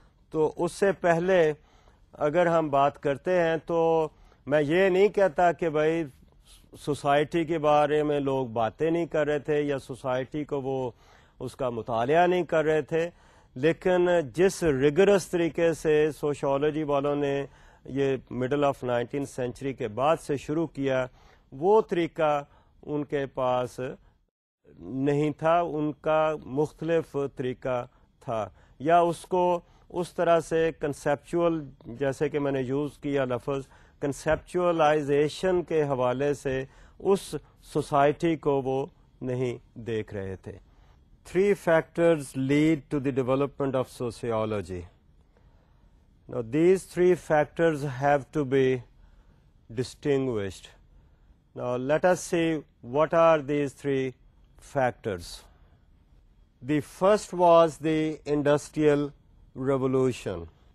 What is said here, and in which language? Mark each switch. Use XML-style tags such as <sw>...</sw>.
<ur>تو اس سے پہلے اگر ہم بات کرتے ہیں تو میں یہ نہیں کہتا کہ بھائی سوسائٹی کے بارے میں لوگ باتیں نہیں کر رہے تھے یا سوسائٹی کو وہ اس کا مطالعہ نہیں کر رہے تھے, لیکن جس ریگرس طریقے سے سوشیولوجی والوں نے یہ</ur> <en>middle of 19th century</en> <ur>کے بعد سے شروع کیا وہ طریقہ ان کے پاس نہیں تھا, ان کا مختلف طریقہ تھا, یا اس کو اس طرح سے کنسیپچل جیسے کہ میں نے یوز کیا لفظ کنسیپچلائزیشن کے حوالے سے اس سوسائٹی کو وہ نہیں دیکھ رہے تھے.</ur> <en>Three factors lead to the development of sociology. Now these three factors have to be distinguished. Now let us see what are these three factors. The first was the Industrial Revolution.</en>